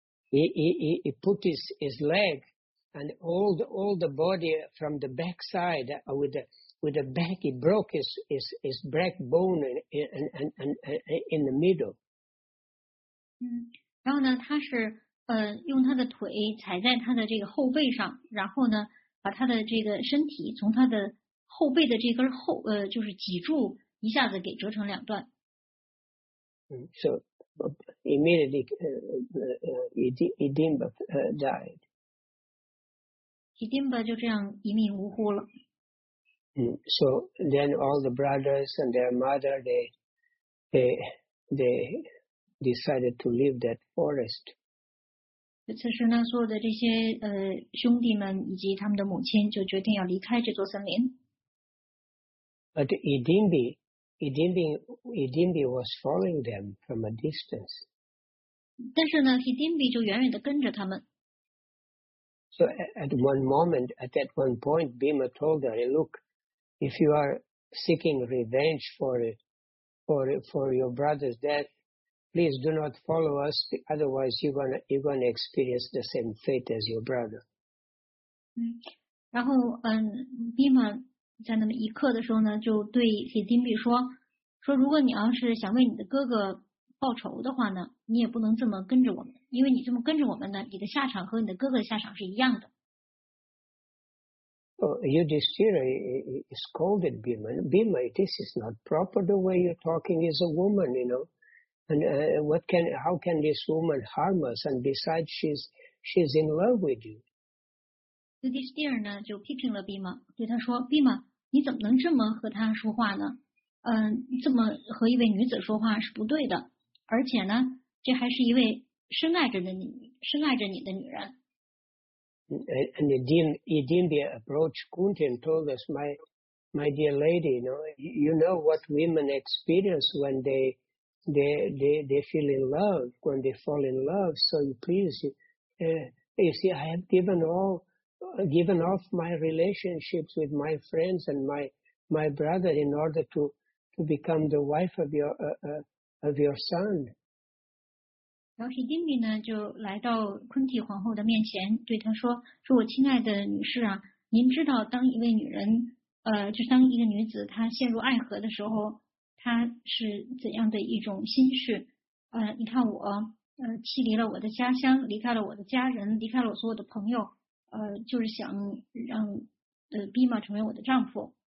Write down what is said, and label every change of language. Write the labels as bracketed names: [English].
[English] He put his leg and all the body from the backside with the back. He broke his back bone and in the middle. [Chinese] 然后呢，他是用他的腿踩在他的这个后背上，然后呢，把他的这个身体从他的后背的这根后就是脊柱一下子给折成两段。 [English] So immediately, Hidimba died. [Chinese] Hidimba 就这样一命呜呼了。 [English] So then all the brothers and their mother, they decided to leave that forest. [Chinese] 此时呢，所有的这些兄弟们以及他们的母亲就决定要离开这座森林。 [English] But Hidimbi was following them from a distance. [Chinese] 但是呢 ，Hidimbi 就远远地跟着他们。 [English] So at that one point, Bhima told her, "Look, if you are seeking revenge for your brother's death, please do not follow us. Otherwise, you're gonna experience the same fate as your brother." [Chinese] 然后Bhima 在那么一刻的时候呢，就对 Hidimbi 说如果你要是想为你的哥哥报仇的话呢，你也不能这么跟着我们，因为你这么跟着我们呢，你的下场和你的哥哥的下场是一样的。 [English] Yudhishthira scolded Bhima. Bhima, this is not proper the way you're talking. Is a woman, you know, and how can this woman harm us? And besides, she's in love with you. [Chinese] Yudhishthira 呢就批评了 Bhima， 对他说 ：“Bhima， 你怎么能这么和他说话呢？” 这么和一位女子说话是不对的，而且呢，这还是一位深爱着你的女人。 [English] And Hidimbi approached Kunti and told us, my dear lady, you know what women experience when they feel in love, when they fall in love. So please, you see, I have given off my relationships with my friends and my brother in order to become the wife of your son. [Chinese] 然后 Hidimbi 呢就来到 Kunti 皇后的面前，对她说：“说我亲爱的女士啊，您知道当一位女人，就当一个女子她陷入爱河的时候，她是怎样的一种心事？你看我，弃离了我的家乡，离开了我的家人，离开了我所有的朋友，就是想让Bhima 成为我的丈夫。